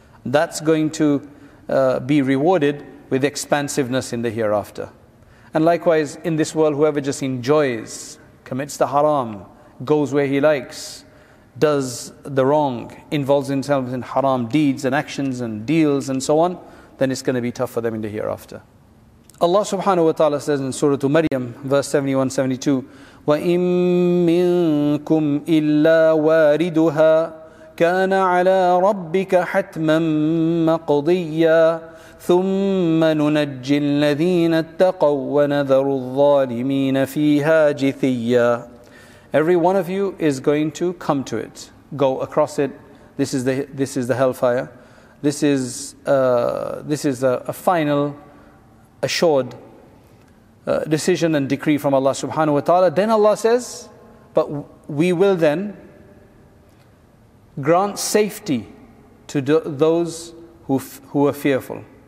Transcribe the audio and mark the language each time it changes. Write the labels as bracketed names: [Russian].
[English] That's going to be rewarded with expansiveness in the hereafter. And likewise, in this world, whoever just enjoys, commits the haram, goes where he likes, does the wrong, involves himself in haram deeds and actions and deals and so on, then it's going to be tough for them in the hereafter. Allah subhanahu wa ta'ala says in Surah Maryam, verse 71-72, [Arabic] وَإِن مِّنكُمْ إِلَّا وَارِدُهَا كَانَ عَلَىٰ رَبِّكَ حَتْمًا مَقْضِيًّا ثُمَّ نُنَجِّ الَّذِينَ اتَّقَوْا وَنَذَرُ الظَّالِمِينَ فِيهَا جِثِيًّا. [English] Every one of you is going to come to it, go across it. This is the hellfire. This is a final, assured decision and decree from Allah subhanahu wa ta'ala. Then Allah says, but we will then grant safety to those who are fearful.